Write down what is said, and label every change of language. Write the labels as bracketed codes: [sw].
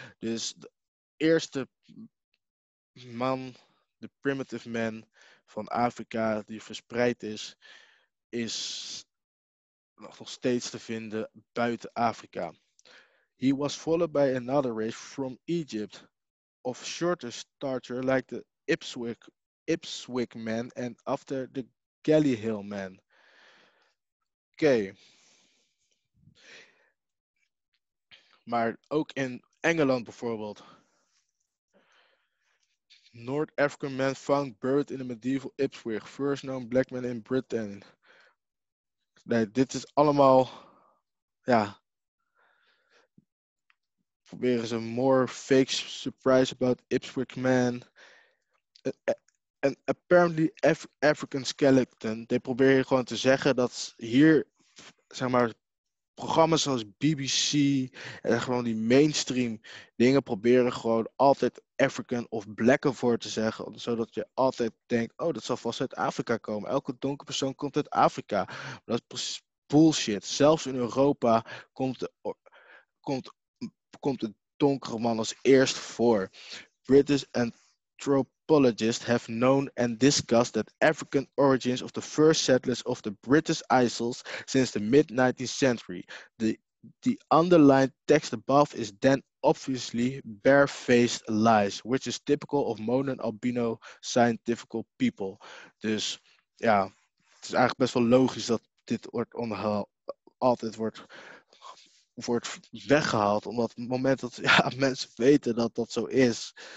[nl] Dus eerste man, de primitive man van Afrika die verspreid is, is nog steeds te vinden buiten Afrika. [en] He was followed by another race from Egypt of shorter stature like the Ipswich man and after the Galley Hill man. Okay. [nl] Maar ook in Engeland bijvoorbeeld. [en] North African men found buried in the medieval Ipswich. First known black men in Britain. [nl] Nee, dit is allemaal, ja, proberen ze [en] more fake surprise about Ipswich men. [nl] En [en] apparently African skeleton, [nl] die proberen gewoon te zeggen dat hier, zeg maar, programma's zoals BBC en gewoon die mainstream dingen proberen gewoon altijd African of Blacken voor te zeggen, zodat je altijd denkt, oh, dat zal vast uit Afrika komen. Elke donkere persoon komt uit Afrika. Maar dat is bullshit. Zelfs in Europa komt de donkere man als eerst voor. [en] British anthropologists have known and discussed that African origins of the first settlers of the British Isles since the mid-19th century. The underlying text above is then obviously barefaced lies, which is typical of modern albino scientific people. [nl] Dus ja, het is eigenlijk best wel logisch dat dit wordt altijd wordt weggehaald, omdat het moment dat ja, mensen weten dat dat zo is.